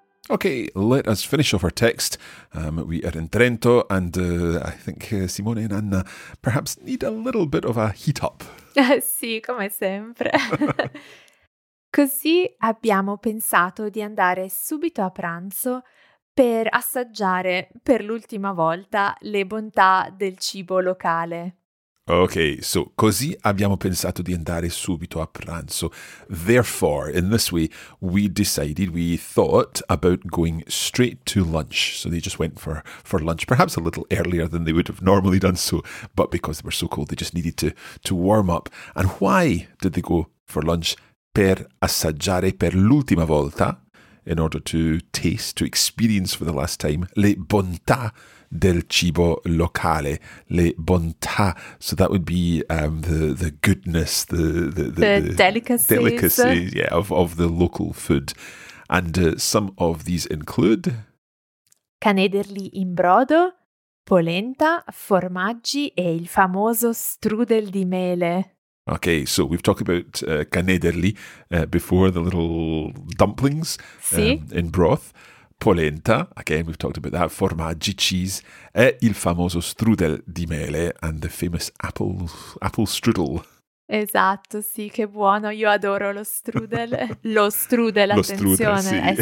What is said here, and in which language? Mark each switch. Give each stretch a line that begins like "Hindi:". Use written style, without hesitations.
English: Okay, let us finish off our text. We are in Trento, and I think Simone and Anna perhaps need a little bit of a heat up.
Italian: Sì, come sempre. Così abbiamo pensato di andare subito a pranzo per assaggiare per l'ultima volta le bontà del cibo locale.
English: Okay, so
Italian: così abbiamo pensato di andare subito a pranzo.
English: Therefore, in this way, we thought about going straight to lunch. So they just went for lunch, perhaps a little earlier than they would have normally done so, but because they were so cold, they just needed to warm up. And why did they go for lunch?
Italian: Per assaggiare per l'ultima volta,
English: in order to taste, to experience for the last time,
Italian: le bontà del cibo locale, le bontà.
English: So that would be the goodness, the delicacies, yeah, of the local food. And some of these include
Italian: canederli in brodo, polenta, formaggi e il famoso strudel di mele.
English: Okay, so we've talked about canederli before, the little dumplings in broth. Polenta, again, we've talked about that. Formaggi, cheese.
Italian: E il famoso strudel di mele,
English: and the famous apple strudel.
Italian: Esatto, sì, che buono. Io adoro lo strudel. Lo strudel, lo attenzione, strudel, sì.